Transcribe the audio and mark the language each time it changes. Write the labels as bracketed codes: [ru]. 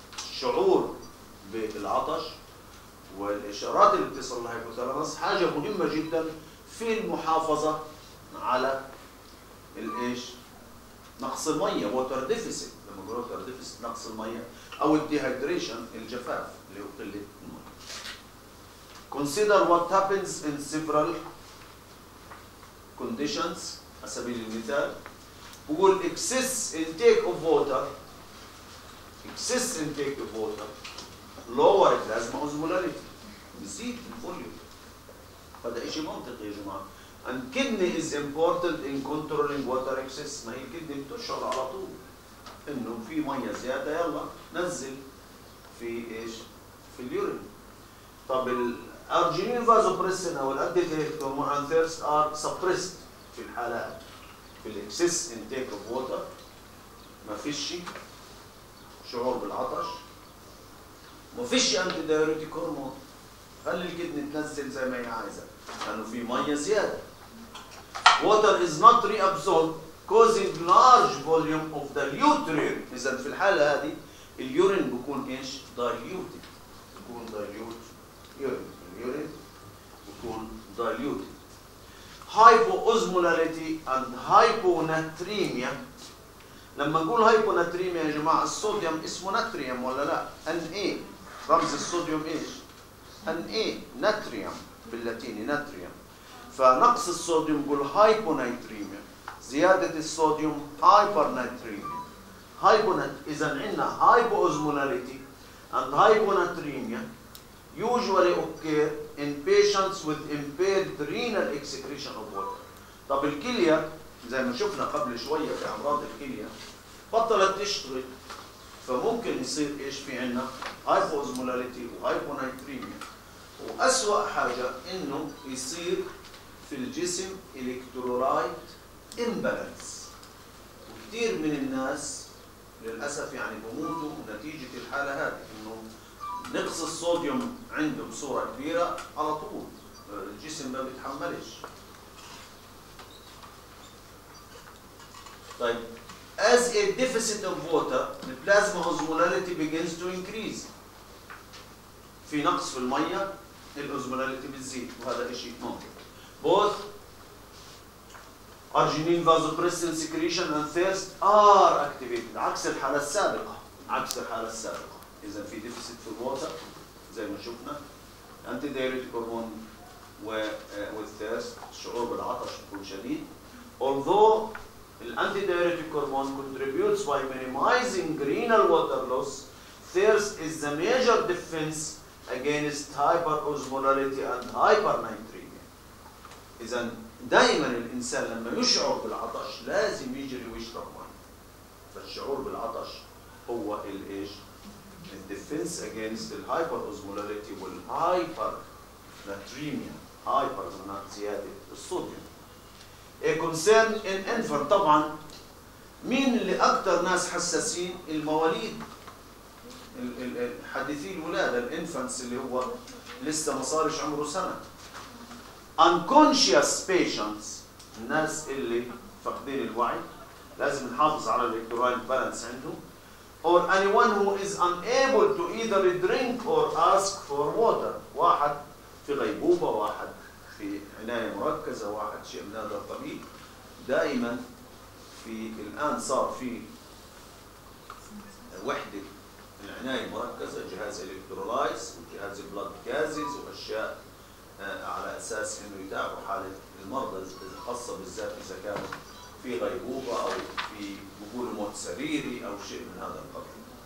[ar] الشعور بالعطش والاشارات اللي بتصل للهايبوثالاموس حاجه مهمه جدا في المحافظه على الايش؟ نقص الميه، ووتر ديفيسيت، لما نقول ووتر ديفيسيت نقص الميه، او الديهايدريشن الجفاف اللي هو قله الميه. [en] consider what happens in several conditions. [ar] على سبيل المثال بقول [en] excess intake of water, excess intake of water lower plasma osmolarity. [ar] نسيت الفوليوم هذا شيء منطقي يا جماعه. [en] And kidney is important in controlling water excess. [ar] ما هي الكدني بتشعر على طول انه في ميه زياده يلا نزل في ايش؟ في اليورين. طب الارجينين فازوبريسن او الادفيكتومان ثيرست ار سبريست في الحالات في الاكسس انتيك اوف ووتر ما فيش شعور بالعطش ما فيش انتي دايوريتيك هرمون. خلي الكدني تنزل زي ما هي عايزه لانه في ميه زياده. [en] Water is not reabsorbed, causing large volume of diluted urine. [ar] إذا في الحالة هذه اليورين بكون إيش؟ diluted. بكون diluted urine. اليورين بكون diluted. [en] Hypoosmolarity and hyponatremia. [ar] لما نقول hyponatremia يا جماعة الصوديوم اسمه ناتريوم ولا لا؟ Na. رمز الصوديوم إيش؟ Na. ناتريوم باللاتيني ناتريوم. فنقص الصوديوم بقول هايبونيتريميا. زيادة الصوديوم هايبرنيتريميا. هايبونات إذا عندنا [en] Hypo osmolarity and hyponatremia usually occur in patients with impaired renal excretion of water. [ar] طب الكلية زي ما شفنا قبل شوية في أمراض الكلية بطلت تشتغل فممكن يصير إيش في عندنا هايبو أوزمولاريتي وهايبونيتريميا. وأسوأ حاجة إنه يصير في الجسم الكترولايت امبالانس. وكثير من الناس للاسف يعني بموتوا نتيجه الحاله هذه انه نقص الصوديوم عنده بصوره كبيره على طول الجسم ما بيتحملش. [en] طيب as a deficit of water the plasma osmolality begins to increase. [ar] في نقص في الميه الاوزمولاريتي بتزيد وهذا شيء ممكن. [en] Both arginine vasopressin secretion and thirst are activated. [ar] عكس الحالة السابقة. عكس الحالة السابقة. إذا في deficit في water زي ما شفنا. [en] Antidiuretic hormone with thirst. [ar] شعور بالعطش بيكون شديد. [en] Although the antidiuretic hormone contributes by minimizing renal water loss, thirst is the major defense against hyperosmolarity and hypernatremia. [ar] إذا دائما الإنسان لما يشعر بالعطش لازم يجري ويشرب ماي. فالشعور بالعطش هو الإيش؟ الديفنس أجينست الهايبر أوزمولاريتي والهايبر ناتريميا، هايبر معناها زيادة الصوديوم. [en] A concern in infant [ar] طبعا مين اللي أكثر ناس حساسين؟ المواليد حديثي الولادة الإنفانتس اللي هو لسه ما صارش عمره سنة. [en] Unconscious patients, [ar] الناس اللي فقدين الوعي لازم نحافظ على الالكترولايت بالانس عندهم. [en] Or anyone who is unable to either drink or ask for water. [ar] واحد في غيبوبة، واحد في عناية مركزة، واحد شيء من هذا الطبيب. دائما في الآن صار في وحدة العناية المركزة جهاز الالكترولايتس وجهاز البلد جازز وأشياء على اساس انه يتابعوا حاله المرضى الخاصه بالذات اذا كان في غيبوبه او في بقول موت سريري او شيء من هذا القبيل.